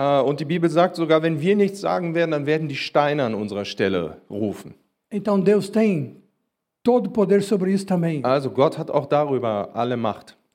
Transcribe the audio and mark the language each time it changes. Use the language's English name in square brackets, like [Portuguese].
[German] Und die Bibel sagt sogar, wenn wir nichts sagen werden, dann werden die Steine an unserer Stelle rufen. [Portuguese] Então Deus tem todo poder sobre isso também. [German] Also Gott hat auch darüber alle Macht.